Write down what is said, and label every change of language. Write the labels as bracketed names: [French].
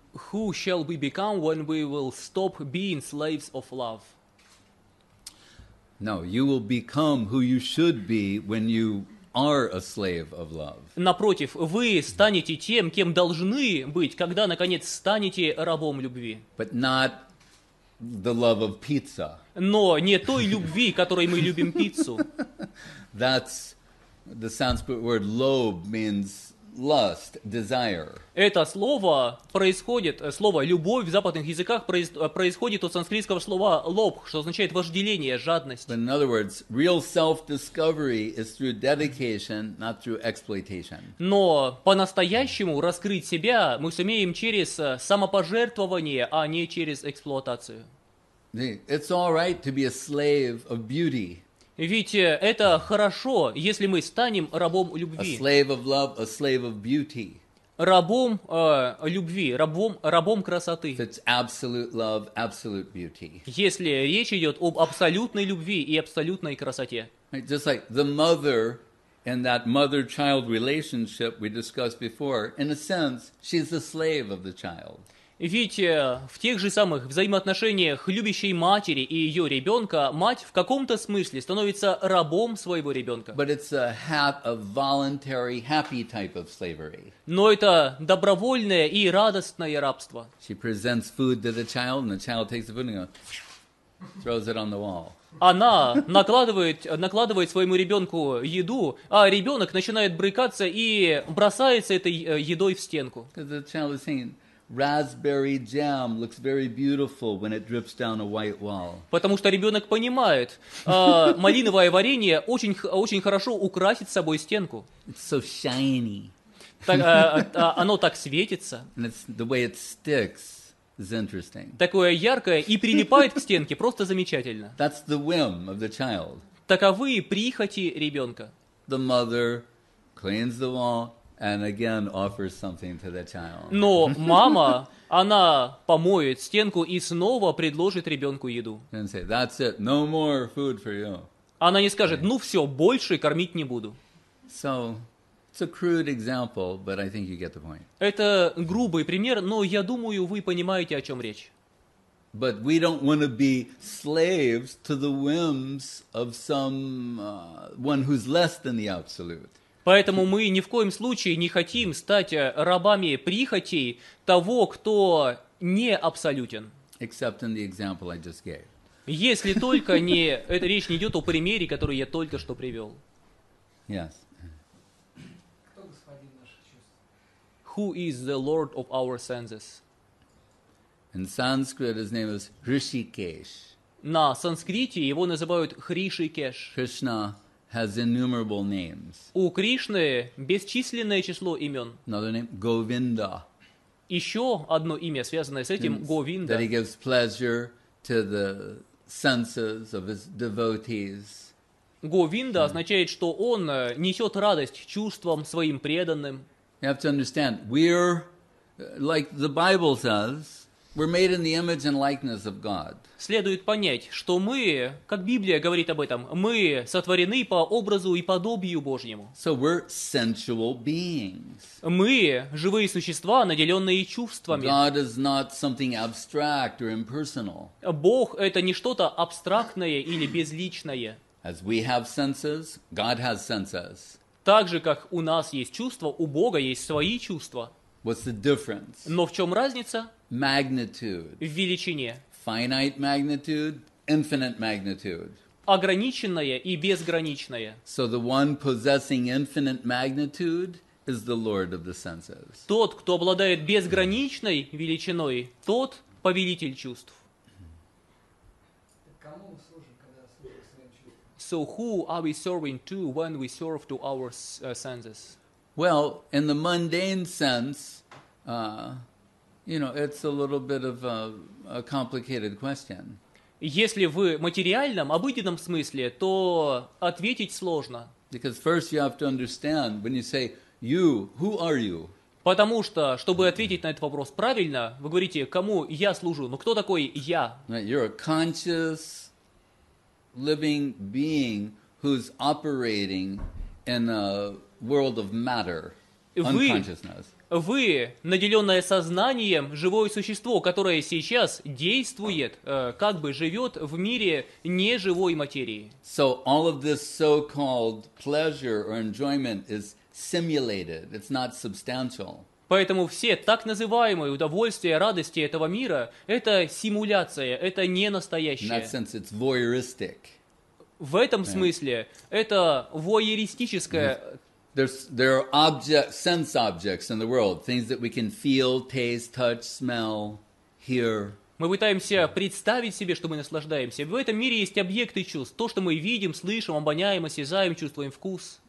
[English] Who shall we become when we will stop being slaves of love? No, you will become who you should be when you are a slave of love. [Russian] Напротив, вы станете тем, кем должны быть, когда наконец станете рабом любви. [English] But not the love of pizza. [Russian] Но не той любви, которой мы любим пиццу. [English] That's the Sanskrit word lobh means lust, desire. [Russian] Это слово происходит, слово «любовь» в западных языках происходит от санскритского слова «лоб», что означает «вожделение», «жадность». [English] But in other words, real self-discovery is through dedication, not through exploitation. [Russian] Но по-настоящему раскрыть себя мы сумеем через самопожертвование, а не через эксплуатацию. [English] It's all right to be a slave of beauty. [Russian] Ведь это хорошо, если мы станем рабом любви. [English] A slave of love, a slave of beauty. [Russian] Рабом любви, рабом красоты. [English] It's absolute love, absolute beauty. [Russian] Если речь идет об абсолютной любви и абсолютной красоте. [English] Just like the mother in that mother-child relationship we discussed before, in a sense, she's the slave of the child. [Russian] Ведь в тех же самых взаимоотношениях любящей матери и ее ребенка мать в каком-то смысле становится рабом своего ребенка. [English] But it's a voluntary, happy type of slavery. [Russian] Но это добровольное и радостное рабство. [English] She presents food to the child, and the child takes the food and throws it on the wall. [Russian] Она накладывает своему ребенку еду, а ребенок начинает брыкаться и бросается этой едой в стенку. [English] Raspberry jam looks very beautiful when it drips down a white wall. [Russian] Потому что ребенок понимает, малиновое варенье очень хорошо украсит собой стенку. [English] It's so shiny. [Russian] Оно так светится. [English] And it's, the way it sticks is interesting. [Russian] Такое яркое и прилипает к стенке, просто замечательно. [English] That's the whim of the child. [Russian] Таковы прихоти ребенка. [English] The mother cleans the wall. And again, offers something to the child. [Russian] Но мама, она помоет стенку и снова предложит ребенку еду. [English] And say, that's it, no more food for you. [Russian] Она не скажет, ну все, больше кормить не буду. [English] So, it's a crude example, but I think you get the point. [Russian] Это грубый пример, но я думаю, вы понимаете, о чем речь. [English] But we don't want to be slaves to the whims of some one who's less than the absolute. [Russian] Поэтому мы ни в коем случае не хотим стать рабами прихотей того, кто не абсолютен. [English] Except in the example I just gave. [Russian] Если только не... Это речь не идет о примере, который я только что привел. [English] Yes. [Russian] Кто господин наших чувств? [English] Who is the lord of our senses? In Sanskrit his name is Hrishikesh. [Russian] На санскрите его называют Хришикеш. [English] Krishna has innumerable names. [Russian] У Кришны бесчисленное число имен. [English] Another name, Govinda. [Russian] Еще одно имя, связанное с этим, Govinda. [English] That he gives pleasure to the senses of his devotees. [Russian] Govinda означает, что он несет радость чувствам своим преданным. [English] You have to understand, we're, like the Bible says, we're made in the image and likeness of God. [Russian] Следует понять, что мы, как Библия говорит об этом, мы сотворены по образу и подобию Божьему. [English] So we're sensual beings. [Russian] Мы живые существа, наделенные чувствами. [English] God is not something abstract or impersonal. [Russian] Бог — это не что-то абстрактное или безличное. [English] As we have senses, God has senses. [Russian] Так же, как у нас есть чувства, у Бога есть свои чувства. [English] What's the difference? [Russian] Но в чем разница? [English] Magnitude. [Russian] В величине. [English] Finite magnitude, infinite magnitude. [Russian] Ограниченное и безграничное. [English] So the one possessing infinite magnitude is the Lord of the senses. [Russian] Тот, кто обладает безграничной величиной, тот повелитель чувств. [English] So who are we serving to when we serve to our senses? Well, in the mundane sense, you know, it's a little bit of a complicated question. [Russian] Если в материальном, обыденном смысле, то ответить сложно. [English] Because first you have to understand, when you say, you, who are you? [Russian] Потому что, чтобы ответить на этот вопрос правильно, вы говорите, кому я служу, но кто такой я? [English] You're a conscious, living being who's operating in a world of matter, unconsciousness. [Russian] Вы, наделенное сознанием, живое существо, которое сейчас действует, как бы живет в мире неживой материи. [English] So all of this so-called pleasure or enjoyment is simulated. It's not substantial. [Russian] Поэтому все так называемые удовольствия, радости этого мира — это симуляция, это не настоящее. [English] In that sense, it's voyeuristic. [Russian] В этом смысле это voyeuristическое. [English] There are objects, sense objects in the world, things that we can feel, taste, touch, smell, hear. [Russian] Мы пытаемся представить себе, что мы наслаждаемся. В этом мире есть объекты чувств, то, что мы видим, слышим, обоняем, осязаем, чувствуем вкус.